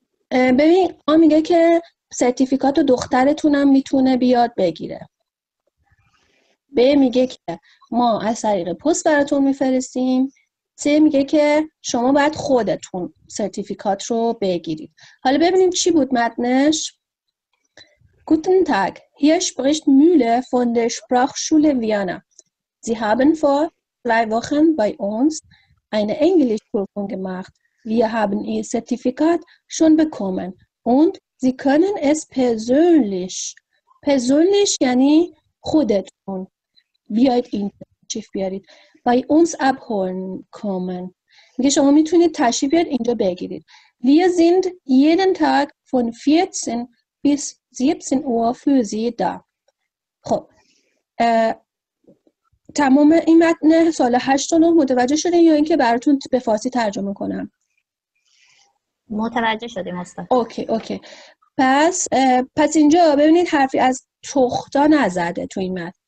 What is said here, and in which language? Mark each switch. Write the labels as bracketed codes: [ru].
[fa] ببین، آ میگه که سرتیفیکات رو دخترتونم میتونه بیاد بگیره. ب میگه که ما از طریق پست براتون میفرستیم. سه میگه که شما باید خودتون سرتیفیکات رو بگیرید. حالا ببینیم چی بود متنش. [de] Guten Tag. Hier spricht Mühle von der Sprachschule Vienna. Sie haben vor 3 Wochen bei uns eine Englischprüfung gemacht. Wir haben ihr Zertifikat schon bekommen und Sie können es persönlich [fa] یعنی خودتون بیاید این چیف بیارید، بای اونس اب هولن کومن، میگه شما میتونید تشریف بیارید اینجا بگیرید. [de] Wir sind jeden Tag von 14 bis 17 Uhr für Sie da. [fa] خب تمام این متن سال 8 و 9 متوجه شده یا اینکه براتون به فارسی ترجمه کنم؟ متوجه شدیم استاد. اوکی اوکی، پس اینجا ببینید حرفی از تختا نزده تو این متن.